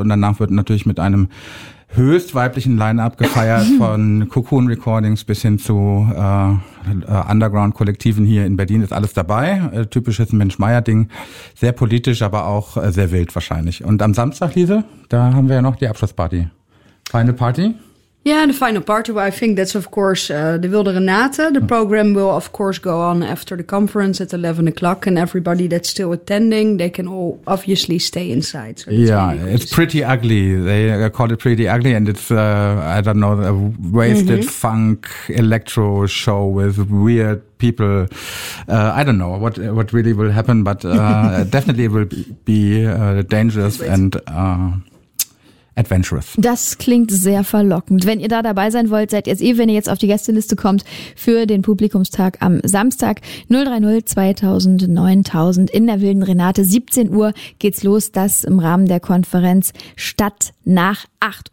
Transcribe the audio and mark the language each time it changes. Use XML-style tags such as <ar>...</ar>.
<de>Und danach wird natürlich mit einem höchst weiblichen Line-Up gefeiert, von Cocoon Recordings bis hin zu Underground-Kollektiven hier in Berlin, ist alles dabei. Typisches Mensch-Meier-Ding. Sehr politisch, aber auch sehr wild wahrscheinlich. Und am Samstag, Lise, da haben wir ja noch die Abschlussparty.</de> <en>Final Party? Yeah, the final party. Well, I think that's, of course, the Wilde Renate. The program will, of course, go on after the conference at 11 o'clock. And everybody that's still attending, they can all obviously stay inside. So yeah, really it's pretty ugly. They call it pretty ugly. And it's, I don't know, a wasted funk electro show with weird people. I don't know what really will happen, but definitely it will be dangerous and... adventurous.</en> <de>Das klingt sehr verlockend. Wenn ihr da dabei sein wollt, seid ihr es eh, wenn ihr jetzt auf die Gästeliste kommt für den Publikumstag am Samstag 030-2000-9000 in der Wilden Renate. 17 Uhr geht's los, das im Rahmen der Konferenz Stadt nach 8.</de>